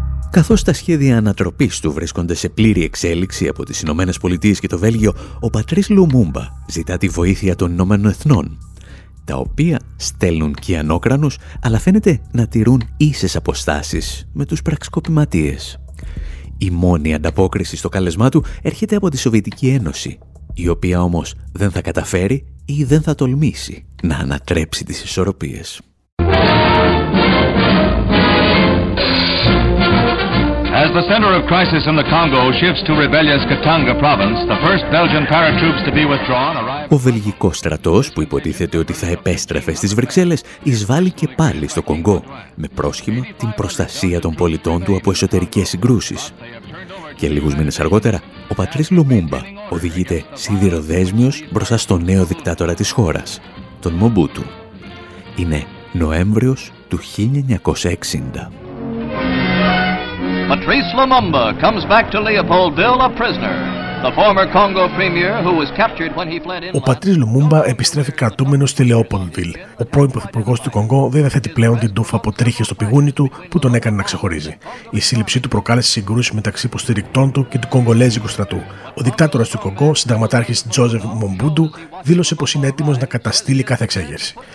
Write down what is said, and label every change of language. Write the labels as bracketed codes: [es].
[el] Καθώς τα σχέδια ανατροπής του βρίσκονται σε πλήρη εξέλιξη από τις Ηνωμένες Πολιτείες και το Βέλγιο, ο Πατρίς Λουμούμπα ζητά τη βοήθεια των Ηνωμένων Εθνών, τα οποία στέλνουν και ανόκρανους, αλλά φαίνεται να τηρούν ίσες αποστάσεις με τους πραξικοπηματίες. Η μόνη ανταπόκριση στο καλεσμά του έρχεται από τη Σοβιετική Ένωση, η οποία όμως δεν θα καταφέρει ή δεν θα τολμήσει να ανατρέψει τις ισορροπίες. [en] As the center of crisis in the Congo shifts to rebellious Katanga province, the first Belgian paratroops to be withdrawn arrived. [el] Ο βελγικός στρατός, που υποτίθεται ότι θα επέστρεφε στις Βρυξέλλες, εισβάλλει και πάλι στο Κονγκό, με πρόσχημα την προστασία των πολιτών του από εσωτερικές συγκρούσεις. Και λίγους μήνες αργότερα, ο Πατρίς Λουμούμπα οδηγείται σιδηροδέσμιος μπροστά στο νέο δικτάτορα της χώρας, τον Μομπούτου. Είναι Νοέμβριος του 1960. [en] Patrice Lumumba comes back to Leopoldville a prisoner. The former Congo premier who was captured when he fled in. [el] Ο Πατρίς Λουμούμπα επιστρέφει κρατούμενος στη Λεόπολντβιλ. Ο πρώην πρωθυπουργός του Κονγκό δεν θέτει πλέον την τούφα από τρίχες στο πηγούνι του που τον έκανε να ξεχωρίζει. Η σύλληψή του προκάλεσε συγκρούσεις μεταξύ υποστηρικτών του και του Κονγκολέζικου στρατού. Ο δικτάτορας του Κονγκό, συνταγματάρχης Τζόζεφ Μομπούντου, δήλωσε πως είναι έτοιμος να καταστήλει κάθε εξέγερση.